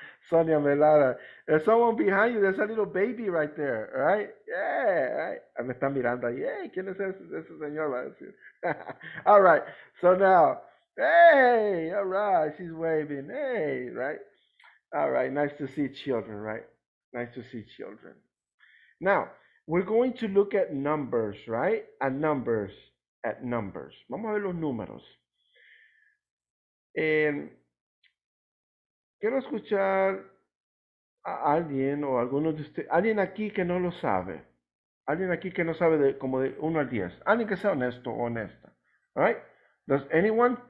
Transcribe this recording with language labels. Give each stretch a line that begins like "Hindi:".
English: Sonia Melara, there's someone behind you, there's a little baby right there, right? Yeah, right.
Spanish: Me están mirando ahí, hey, ¿quién es ese señor?
English: All right, so now, hey, all right, she's waving, hey, right? All right, nice to see children, right? Nice to see children. Now, we're going to look at numbers, right? At numbers, at numbers.
Spanish: Vamos a ver los números. Quiero escuchar a alguien o a algunos de ustedes. Alguien aquí que no lo sabe. Alguien aquí que no sabe de como de 1 al 10. Alguien que sea honesto o honesta.
English: Right? Does anyone?